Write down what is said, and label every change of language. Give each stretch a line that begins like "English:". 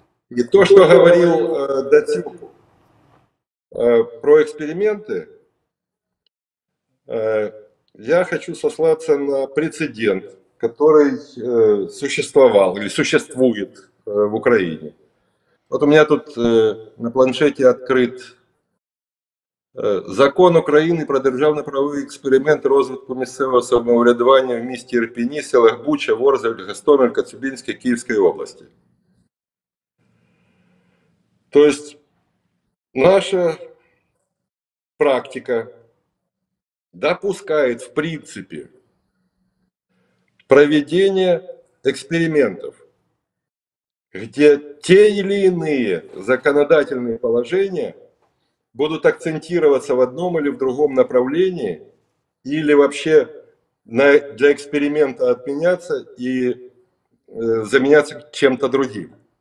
Russian: И то, что говорил Датюк про эксперименты, я хочу сослаться на прецедент, который существовал или существует в Украине. Вот у меня тут на планшете открыт закон Украины
Ukrainian: про державно-правовий експеримент розвитку місцевого самоврядування в місті Ірпіні, селах Буча, Ворзель, Гостомель, Коцюбинське, Київської області. Тобто
Russian: наша практика допускает в принципе проведение экспериментов, где те или иные законодательные положения будут акцентироваться в одном или в другом направлении, или вообще для эксперимента отменяться и заменяться чем-то другим.